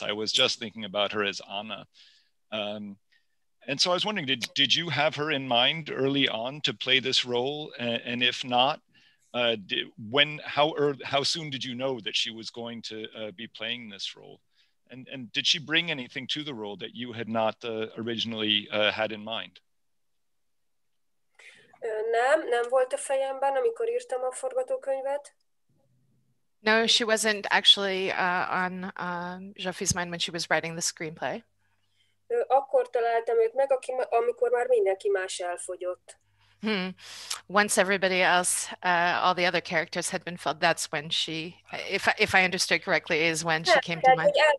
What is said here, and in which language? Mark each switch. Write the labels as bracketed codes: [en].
[en] I was just thinking about her as Anna. And so I was wondering, did you have her in mind early on to play this role? And if not, how soon did you know that she was going to be playing this role? And did she bring anything to the role that you had not originally had in mind? [hu] Nem volt a fejemben, amikor írtam a forgatókönyvet. [en] No, she wasn't actually on Zsófia's mind when she was writing the screenplay. [hu] Akkor találtam őt meg, amikor már mindenki más elfogyott. [en] Once everybody else, all the other characters had been filled, that's when she, if I understood correctly, is when she came to mind.